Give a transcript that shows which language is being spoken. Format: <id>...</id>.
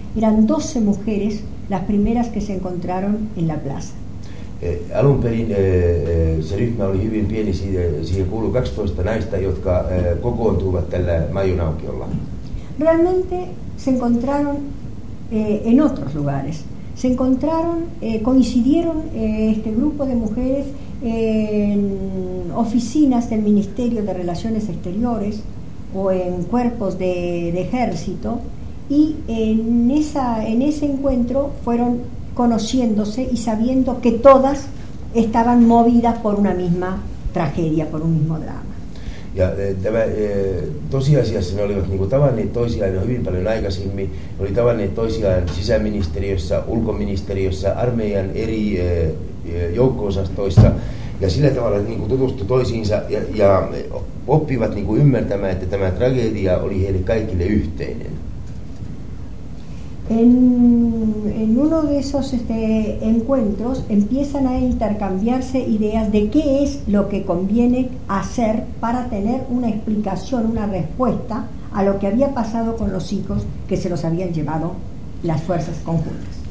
<es>Eran 12 mujeres las primeras que se encontraron en la plaza.</es> <fi>Alun perin se ryhmä oli hyvin pieni, siihen kuului 12 naista, jotka kokoontuivat tällä Maijun aukiolla.</fi> <es>Realmente se encontraron en otros lugares. Se encontraron, coincidieron este grupo de mujeres en oficinas del Ministerio de Relaciones Exteriores o en cuerpos de ejército. Y en ese encuentro fueron conociéndose y sabiendo que todas estaban movidas por una misma tragedia, por un mismo drama.</es> <fi>Ja tämä tosiasiassa ne olivat niinku tavanneet toisiaan jo hyvin paljon aikaisemmin. Ne oli tavanneet toisiaan sisäministeriössä, ulkoministeriössä, armeijan eri joukko-osastoissa. Ja sillä tavalla niinku tutustu toisiinsa ja oppivat niinku ymmärtämään, että tämä tragedia oli heille kaikille yhteinen.</fi> <es>En uno de esos encuentros empiezan a intercambiarse ideas de qué es lo que conviene hacer para tener una explicación, una respuesta a lo que había pasado con los hijos que se los habían llevado las fuerzas conjuntas.</es>